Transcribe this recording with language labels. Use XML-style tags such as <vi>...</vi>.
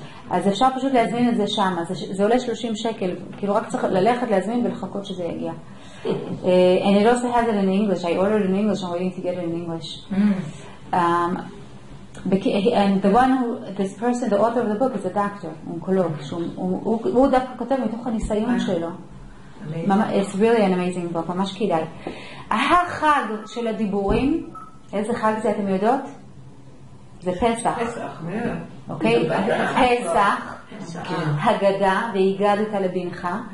<he>אז אפשר פשוט להזמין את זה שם. זה עולה 30 שקל. כאילו רק צריך ללכת להזמין ולחכות שזה יגיע.</he> <en>And it also has it in English. I ordered in English. I'm waiting to get it in English. And the one who, this person, the author of the book, is a doctor. Oncologist.</en> <he>הוא דווקא כותב מתוך הניסיון שלו.</he> <en>It's really an amazing book.</en> <he>ממש כדאי. החג של הדיבורים, איזה חג זה אתם יודעות? זה פסח. פסח, מה? אוקיי? פסח, הגדה, והגדת לבנך.</he>